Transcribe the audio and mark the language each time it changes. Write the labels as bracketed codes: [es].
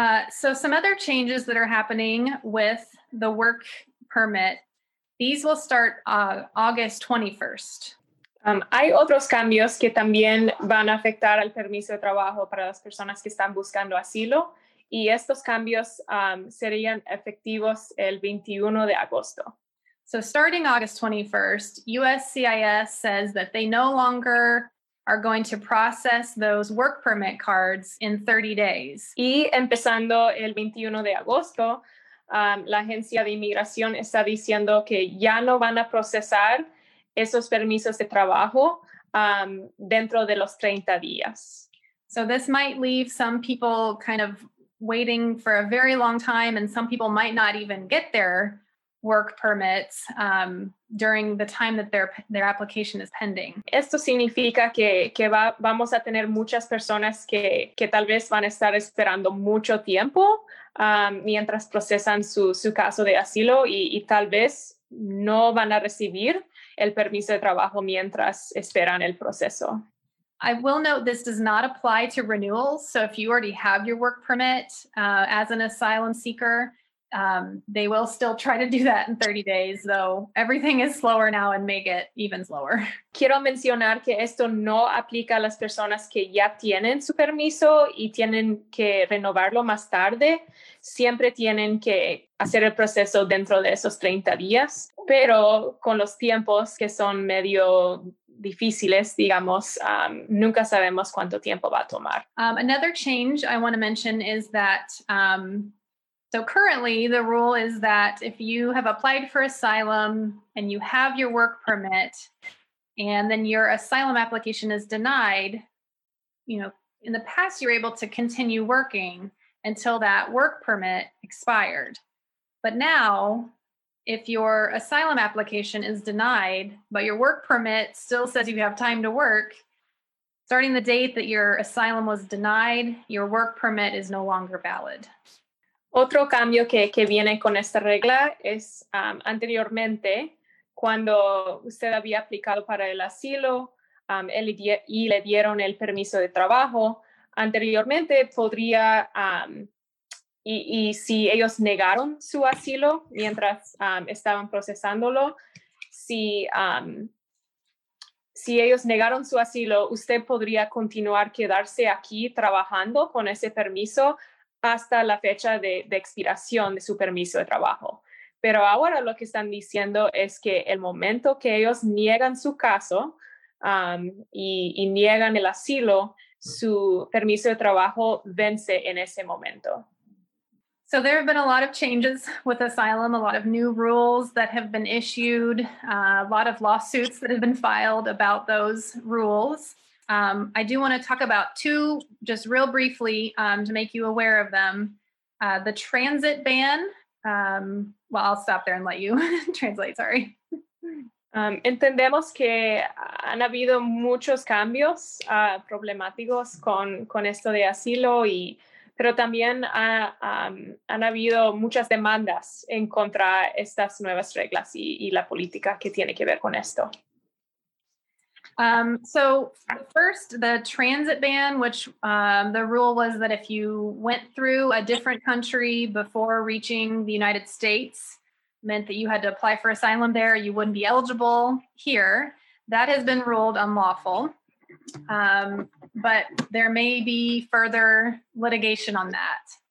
[en] So some other changes that are happening with the work permit, these will start August 21st. [es] Hay otros cambios que también van a afectar al permiso de trabajo para las personas que están buscando asilo, y estos cambios serían efectivos el 21 de agosto. [en] So starting August 21st, USCIS says that they no longer are going to process those work permit cards in 30 days. [es] Y empezando el 21 de agosto, la agencia de inmigración está diciendo que ya no van a procesar esos permisos de trabajo dentro de los 30 días. [en] So this might leave some people kind of waiting for a very long time, and some people might not even get their work permits during the time that their application is pending. [es] Esto significa que vamos a tener muchas personas que tal vez van a estar esperando mucho tiempo mientras procesan su caso de asilo y tal vez no van a recibir el permiso de trabajo mientras esperan el proceso. [en] I will note this does not apply to renewals. So if you already have your work permit as an asylum seeker, they will still try to do that in 30 days, though everything is slower now and may get even slower. [es] Quiero mencionar que esto no aplica a las personas que ya tienen su permiso y tienen que renovarlo más tarde. Siempre tienen que hacer el proceso dentro de esos 30 días, pero con los tiempos que son medio difíciles, digamos, nunca sabemos cuánto tiempo va a tomar. [en] Another change I want to mention is that, so currently the rule is that if you have applied for asylum and you have your work permit and then your asylum application is denied, you know, in the past, you were able to continue working until that work permit expired. But now, if your asylum application is denied, but your work permit still says you have time to work, starting the date that your asylum was denied, your work permit is no longer valid. [es] Otro cambio que viene con esta regla es anteriormente, cuando usted había aplicado para el asilo y le dieron el permiso de trabajo, anteriormente podría, y si ellos negaron su asilo mientras estaban procesándolo, si ellos negaron su asilo, usted podría continuar quedarse aquí trabajando con ese permiso hasta la fecha de expiración de su permiso de trabajo. Pero ahora lo que están diciendo es que el momento que ellos niegan su caso y niegan el asilo, su permiso de trabajo vence en ese momento. [en] So there have been a lot of changes with asylum, a lot of new rules that have been issued, a lot of lawsuits that have been filed about those rules. I do want to talk about two just real briefly to make you aware of them. The transit ban. Well, I'll stop there and let you translate, sorry. [es] Entendemos que han habido muchos cambios problemáticos con esto de asilo, pero también han habido muchas demandas en contra estas nuevas reglas y la política que tiene que ver con esto. [en] So first, the transit ban, which the rule was that if you went through a different country before reaching the United States, meant that you had to apply for asylum there, you wouldn't be eligible here. That has been ruled unlawful. But there may be further litigation on that.